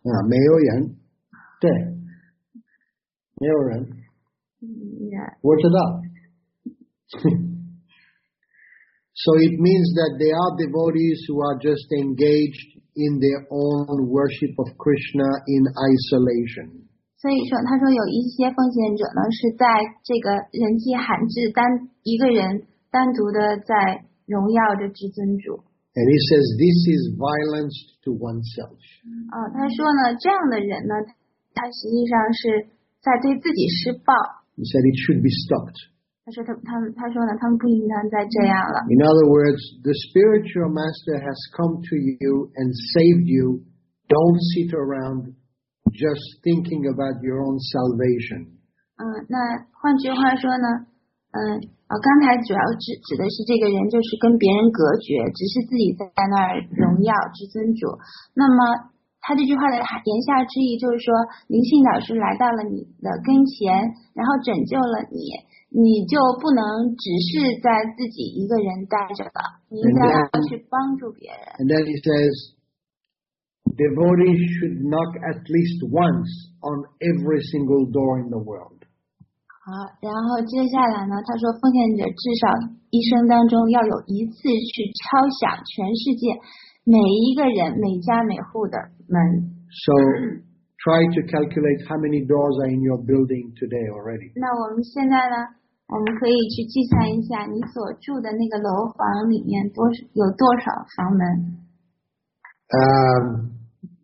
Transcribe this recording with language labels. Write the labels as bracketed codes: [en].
[zh] 没有人，对，没有人。 [en] Yeah. [zh] 我知道。 [en] So it means that they are devotees who are just engaged in their own worship of Krishna in isolation. [zh] 所以说，他说有一些奉献者呢，是在这个人迹罕至，单一个人单独的在荣耀着至尊主。 [en] And he says this is violence to oneself. [zh] 他说呢，这样的人呢，他实际上是在对自己施暴。 [en] He said it should be stopped. [zh] 他说呢，他们不应当再这样了。 [en] In other words, the spiritual master has come to you and saved you. Don't sit around just thinking about your own salvation. [zh] 那换句话说呢，刚才主要指的是这个人就是跟别人隔绝，只是自己在那儿荣耀至尊主。那么他这句话的言下之意就是说，灵性导师来到了你的跟前，然后拯救了你。你就不能只是在自己一个人待着了，你应该要去帮助别人。 [en] And then he says, devotees should knock at least once on every single door in the world. [zh] 好，然后接下来呢，他说奉献者至少一生当中要有一次去敲响全世界每一个人每家每户的门。 [en] So. Try to calculate how many doors are in your building today already. [zh] 那我们现在呢？我们可以去计算一下你所住的那个楼房里面有多少房门。